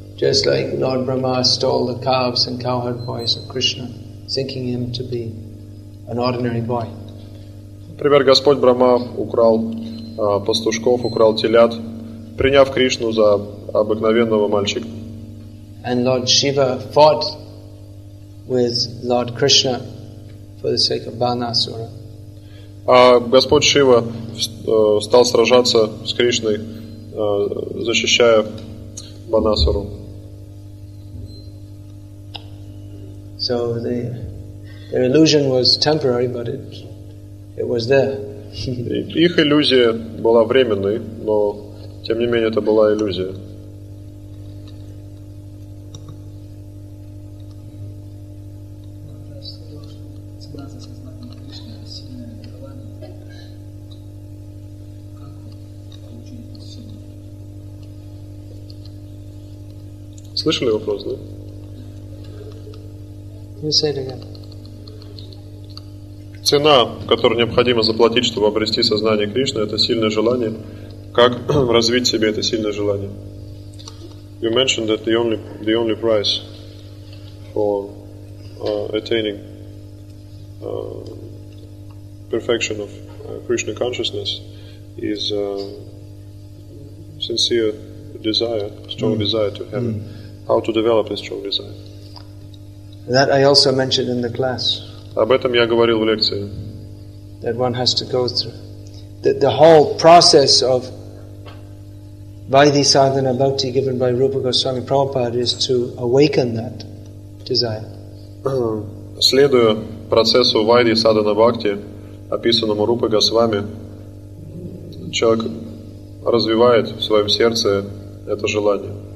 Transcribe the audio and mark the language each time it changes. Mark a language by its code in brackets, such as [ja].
[en] Just like Lord Brahma stole the calves and cowherd boys of Krishna, thinking him to be an ordinary boy. [ru] Например, Господь Брахма украл пастушков, украл телят, приняв Кришну за обыкновенного мальчика. [en] And Lord Shiva fought with Lord Krishna for the sake of Banasura. [ru] А Господь Шива стал сражаться с Кришной, защищая Банасуру. [en] So the illusion was temporary, but it was there. [ru] Их иллюзия была временной, но тем не менее это была иллюзия. Слышали вопрос, да? [en] You say it again. [ru] Цена, которую необходимо заплатить, чтобы обрести сознание Кришны, это сильное желание. Как развить в себе это сильное желание? [en] You mentioned that the only price for attaining perfection of Krishna consciousness is sincere desire, strong desire to heaven. How to develop a strong desire? That I also mentioned in the class. [ru] Об этом я говорил в лекции. [en] That one has to go through. That the whole process of Vaidhi Sadhana Bhakti given by Rupa Goswami Prabhupada is to awaken that desire. [ru] Следуя процессу Vaidhi Sadhana Bhakti, описанному Рупа Госвами, человек развивает в своем сердце это желание.